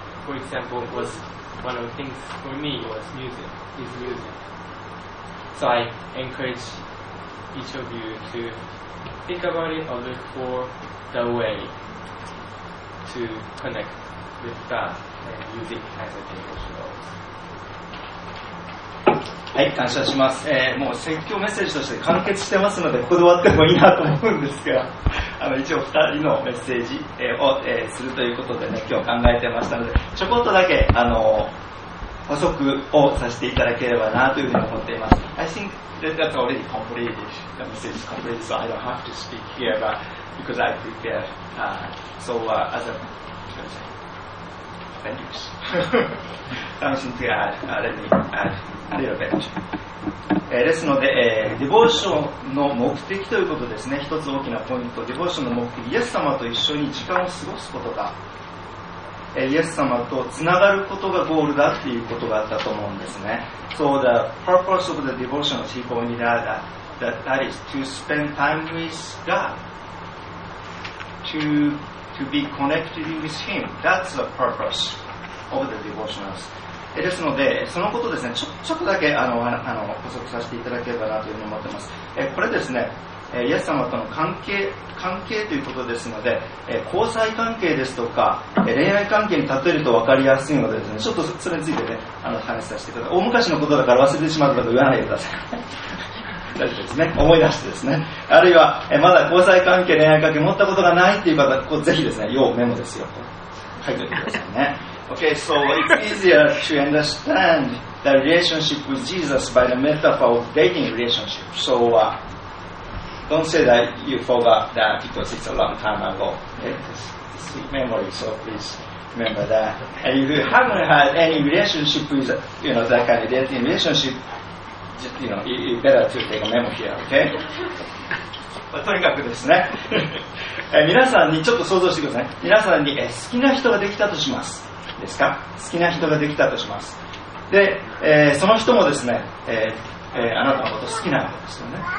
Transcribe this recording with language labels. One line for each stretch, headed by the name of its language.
English: For example, was one of the things for me was music, is music. So I encourage each of you to think about it or look for the way to connect with God and music as a devotional.
Japanese: はい、感謝します。もう説教メッセージとして完結してますので、ここで終わってもいいなと思うんですが、一応2人のメッセージを、するということでね、今日考えてましたので、ちょこっとだけ補足をさせていただければなというふうに思っています。
English: I think that's already completed. The message is completed, so I don't have to speak here, but because I prepared so as a appendix. Something to add, let me add
Japanese: あるいはベンチ、ですので、ディボーションの目的ということですね。一つ大きなポイント、ディボーションの目的、イエス様と一緒に時間を過ごすことがイエス様とつながることがゴールだっていうことがあったと思うんですね。
English: So the purpose of the devotion of people in Nirada that is to spend time with God to be connected with Him. That's the purpose of the devotionals
Japanese: ですのでそのことですね、ちょっとだけ補足させていただければなというふうに思っています。これですね、イエス様との関係ということですので、交際関係ですとか恋愛関係に例えると分かりやすいの で, です、ね、ちょっとそれについてね話させてください。大昔のことだから忘れてしまったと言わないでください大丈夫ですね、思い出してですね。あるいはまだ交際関係恋愛関係持ったことがないという方、ここぜひですね、要メモですよと書いておいてくださいね
English: Okay, so it's easier to understand the relationship with Jesus by the metaphor of dating relationship. So, don't say that you forgot that because it's a long time ago. It's a memory, so please remember that. And if you haven't had any relationship with, you know, that kind of dating relationship, just, you know, you better to take a memo here, okay?
Japanese: まあ、とにかくですね皆さんにちょっと想像してください。皆さんに好きな人ができたとします。ですか、好きな人ができたとします。で、その人もですね、あなたのこと好きなわけですよね。